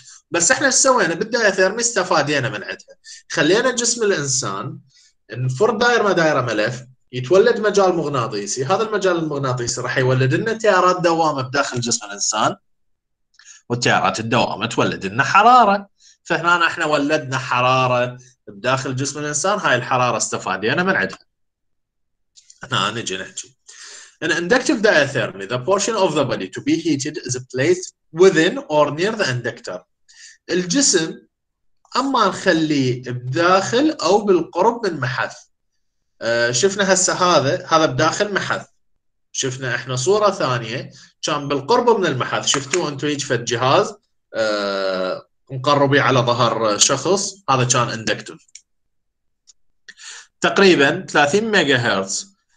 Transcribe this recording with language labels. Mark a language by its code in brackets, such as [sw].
[ar] بس احنا سوينا بالدائرة الثيرمي، استفادينا من عندها، خلينا جسم الإنسان نفر دائرة دائرة ملف يتولد مجال مغناطيسي، هذا المجال المغناطيسي راح يولد لنا تيارات دوامة بداخل جسم الإنسان، والتيارات الدوامة تولد لنا حرارة. فهنا احنا ولدنا حرارة بداخل جسم الإنسان، هاي الحرارة استفادينا من عندها. هنا نجي نحكي [en] An inductive diathermy, the portion of the body to be heated is placed within or near the inductor. [ar] الجسم أما نخليه بداخل أو بالقرب من محث. شفنا هسه هذا بداخل محث، شفنا احنا صورة ثانية كان بالقرب من المحث، شفتوا انتو هيك فد جهاز مقربي على ظهر شخص، هذا كان اندكتف تقريبا 30 ميجا هرتز.